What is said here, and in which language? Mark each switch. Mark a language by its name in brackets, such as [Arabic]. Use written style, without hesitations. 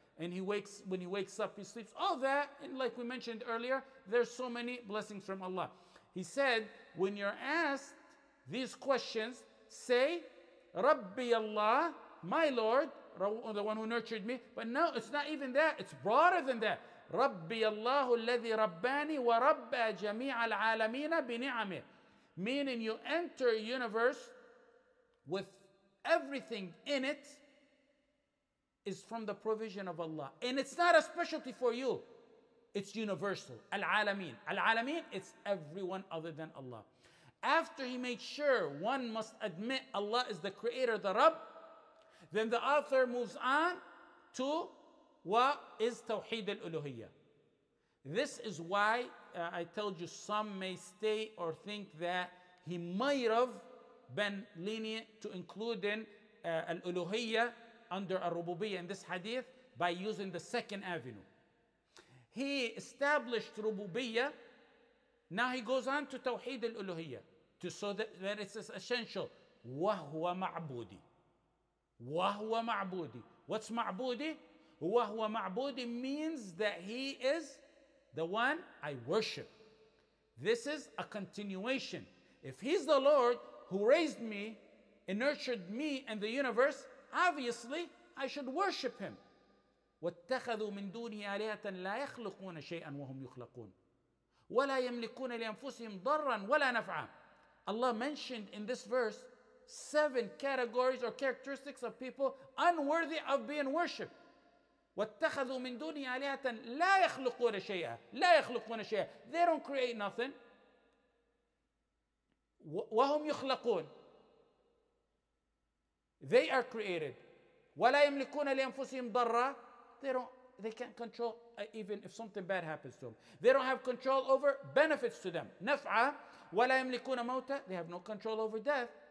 [English] And when he wakes up, he sleeps. All that, and like we mentioned earlier, there's so many blessings from Allah. He said, when you're asked these questions, say, Rabbi Allah, my Lord, the one who nurtured me. But no, it's not even that. It's broader than that. [Arabic] Rabbi Allah, الذي ربّاني وربّى جميع العالمين بنعمه. [English] Meaning you enter a universe with everything in it is from the provision of Allah. And it's not a specialty for you. It's universal. Al-alameen. Al-alameen, it's everyone other than Allah. After he made sure one must admit Allah is the creator, the Rabb, then the author moves on to what is Tawheed al-Uluhiyyah. This is why I told you some may stay or think that he might have been lenient to include in al-Uluhiyyah under al-Rububiyyah in this hadith by using the second avenue. He established Rububiyyah. Now he goes on to Tawheed al-Uluhiyyah to show that it's essential. [Arabic] وَهُوَ مَعْبُودِي وَهُوَ مَعْبُودِي [English] What's ma'budi? [Arabic] وَهُوَ مَعْبُودِي [English] means that he is the one I worship. This is a continuation. If he's the Lord who raised me and nurtured me and the universe, obviously I should worship him. [Arabic] وَاتَّخَذُوا مِن دُونِهِ آلِهَةً لَا يَخْلُقُونَ شَيْئًا وَهُمْ يُخْلَقُونَ وَلَا يَمْلِكُونَ لِأَنفُسِهِمْ ضَرًّا وَلَا نَفْعًا [English] Allah mentioned in this verse 7 categories or characteristics of people unworthy of being worshipped. [Arabic] وَاتَّخَذُوا مِن دُونِهِ آلِهَةً لَا يَخْلُقُونَ شَيْئًا لَا يَخْلُقُونَ شَيْئًا [English] They don't create nothing. [Arabic] وَهُمْ يُخْلَقُونَ [English] They are created. [Arabic] وَلَا يَمْلِكُونَ لِأَنفُسِهِمْ ضَرًّا [English] They can't control even if something bad happens to them. They don't have control over benefits to them. [Arabic] نَفْعَ وَلَا يَمْلِكُونَ مَوْتَ [English] They have no control over death.